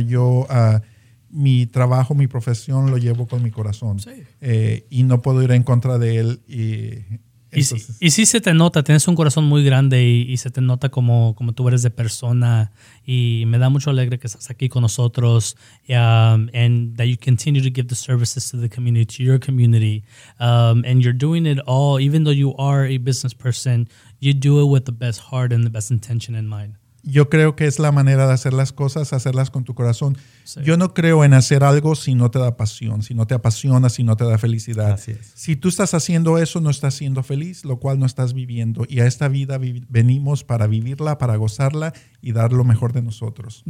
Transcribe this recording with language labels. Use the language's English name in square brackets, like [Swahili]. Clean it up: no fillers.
[Spanish] Yo mi trabajo, mi profesión lo llevo con mi corazón. Sí. Y no puedo ir en contra de él. Y sí se te nota, tienes un corazón muy grande y se te nota como tú eres de persona. Y me da mucho alegre que estás aquí con nosotros. [English] And that you continue to give the services to the community, to your community. And you're doing it all, even though you are a business person, you do it with the best heart and the best intention in mind. [Spanish] Yo creo que es la manera de hacer las cosas, hacerlas con tu corazón. Sí. Yo no creo en hacer algo si no te da pasión, si no te apasiona, si no te da felicidad. Así es. Si tú estás haciendo eso, no estás siendo feliz, lo cual no estás viviendo. Y a esta vida venimos para vivirla, para gozarla y dar lo mejor de nosotros.